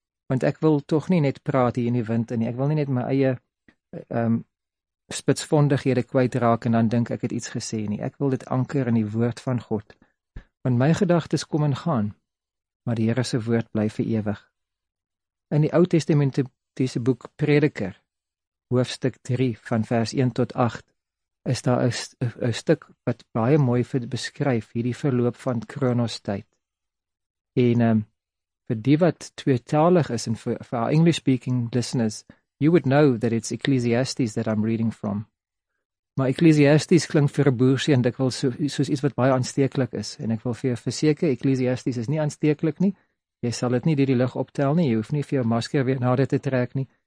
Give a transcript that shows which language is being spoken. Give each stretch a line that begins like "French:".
Afrikaans: want ek wil tog nie net praat hier in die wind nie, ek wil nie net my eie spitsvondighede kwytraak en dan dink ek het iets gesê nie, ek wil dit anker in die woord van God, want my gedagtes kom en gaan, maar die Here se woord bly vir ewig. In die Ou Testamentiese boek Prediker, hoofstuk 3 van vers 1 tot 8, is daar 'n stuk wat baie mooi vir beskryf hierdie verloop van Kronos tyd. En vir die wat tweetalig is en vir
English: our English speaking listeners, you would know that it's Ecclesiastes that I'm reading from.
Afrikaans: Maar Ecclesiastes klink vir 'n boersie en dikwels soos iets wat baie aansteeklik is, en ek wil vir jou verseker, Ecclesiastes is nie aansteeklik nie. Jy sal dit nie deur die lug optel nie, jy hoef nie vir jou masker weer na dit te trek nie.